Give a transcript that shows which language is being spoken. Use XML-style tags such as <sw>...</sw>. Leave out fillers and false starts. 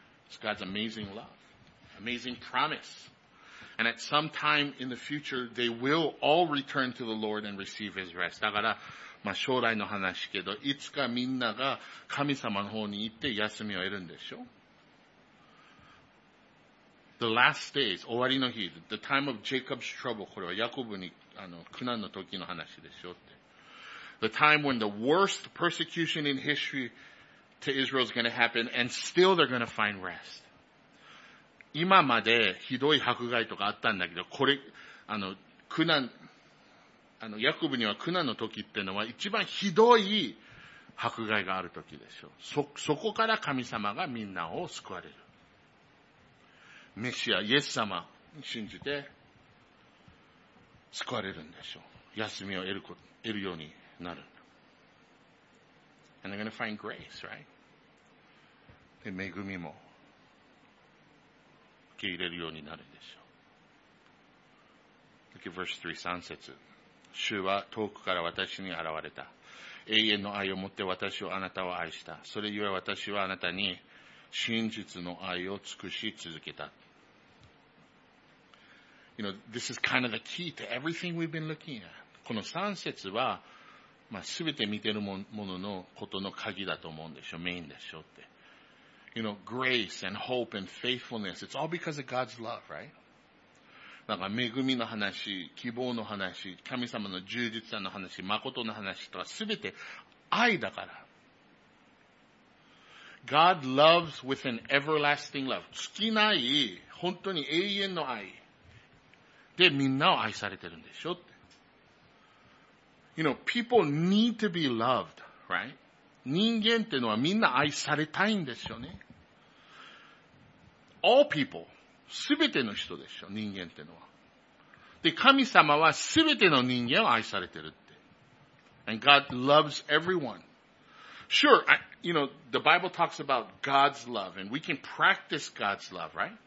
<en>It's God's amazing love, amazing promise. And at some time in the future, they will all return to the Lord and receive His rest.</en> <ja>だから、まあ将来の話けど、いつかみんなが神様の方に行って休みを得るんでしょ。</ja> <en>The last days,</en> <ja>終わりの日、</ja> <en>the time of Jacob's trouble,</en> <ja>これはヤコブに、あの、苦難の時の話でしょって。</ja> <en>The time when the worst persecution in history to Israel is going to happen and still they're going to find rest.</en> <ja>今までひどい迫害とかあったんだけど、これ、あの、苦難、あの、ヤコブには苦難の時っていうのは一番ひどい迫害がある時でしょ。そこから神様がみんなを救われる。メシア、イエス様信じて救われるんでしょう。休みを得るようになる。</ja> <en>And they're going to find grace, right?</en> <ja>で、恵みも受け入れるようになるでしょう。</ja> <en>Look at verse 3, 3節。</en> <ja>主は遠くから私に現れた。永遠の愛を持って私をあなたを愛した。それゆえ私はあなたに真実の愛を尽くし続けた。</ja> <en>You know, this is kind of the key to everything we've been looking at.</en> <ja>この3節は、まあ、全て見てるもののことの鍵だと思うんでしょ、メインでしょって。</ja> <en>You know, grace and hope and faithfulness, it's all because of God's love, right?</en> <ja>なんか恵みの話、希望の話、神様の充実さの話、誠の話とは全て愛だから。</ja> <en>God loves with an everlasting love.</en> <ja>尽きない、本当に永遠の愛。で、みんなを愛されてるんでしょって。</ja> <en>You know, people need to be loved, right?</en> <ja>人間ってのはみんな愛されたいんですよね。</ja> <en>All people,</en> <ja>すべての人でしょ、人間ってのは。で、神様はすべての人間を愛されてるって。</ja> <en>And God loves everyone. Sure, you know, the Bible talks about God's love, and we can practice God's love, right?</en>